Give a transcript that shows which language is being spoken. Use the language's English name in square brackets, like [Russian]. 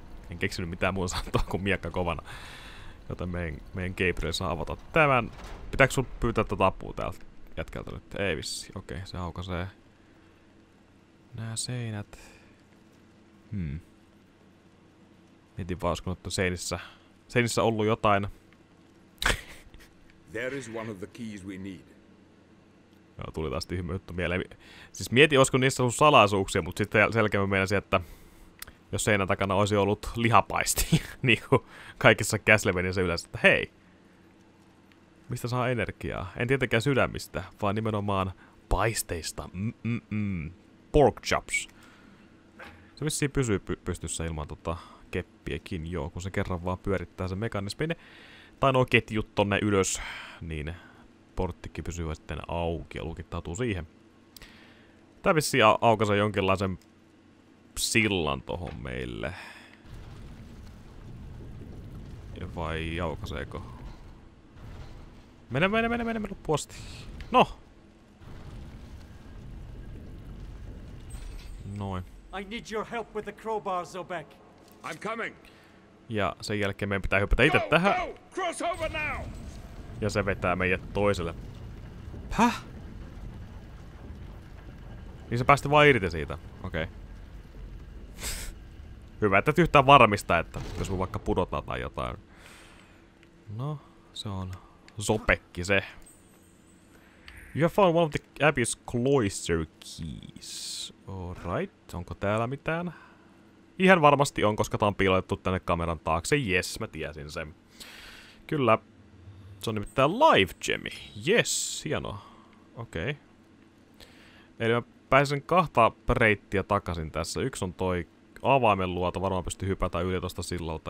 [Finnish] En keksinyt mitään muuta sanottua kuin miakka kovana. Joten meidän Gabriel saa avata tämän. Pitääks sun pyytää tätä apua täältä jätkältä nyt? Ei vissi. Okei, se aukaisee nää seinät. Mietin vaan, olisiko noita seinissä ollu jotain. [English] There is one of the keys we need. [Finnish] Joo, tuli taas tyhmyyttä mieleen. Siis mietin, olisiko niissä sun salaisuuksia, mutta sitten selkeämmin meinasi, että jos seinän takana olisi ollut lihapaisti, niin kuin kaikissa Castlevaniassa yleensä, että hei, mistä saa energiaa? En tietenkään sydämistä, vaan nimenomaan paisteista. Pork chops. Se vissiin pysyy pystyssä ilman keppiäkin, joo, kun se kerran vaan pyörittää sen mekanismin. Tai nuo ketjut tonne ylös, niin porttikin pysyy sitten auki ja lukittautuu siihen. Tää vissiin aukaisi jonkinlaisen sillan tohon meille. Vai aukaiseeko? Mene loppuasti. No! Noin. [English] I need your help with the crowbar, Zobek. I'm coming. [Finnish] Ja sen jälkeen meidän pitää hyppätä itse tähän. [English] Cross over now. [Finnish] Ja se vetää meidät toiselle. Häh? Niin se päästi vaan irti siitä. Okei. Okay. Hyvä, että et yhtään varmista, että jos me vaikka pudotaan tai jotain. No, se on Zobekki se. [English] You have found one of the Abbey's cloister keys. [Finnish] Alright, onko täällä mitään? Ihan varmasti on, koska tää on piilotettu tänne kameran taakse. Yes, mä tiesin sen. Kyllä. Se on nimittäin Live Gemi. Yes, hienoa. Okei. Okay. Eli mä pääsen kahta reittiä takaisin tässä. Yksi on toi avaimen luota, varmaan pystyy hypätä yli tosta sillalta.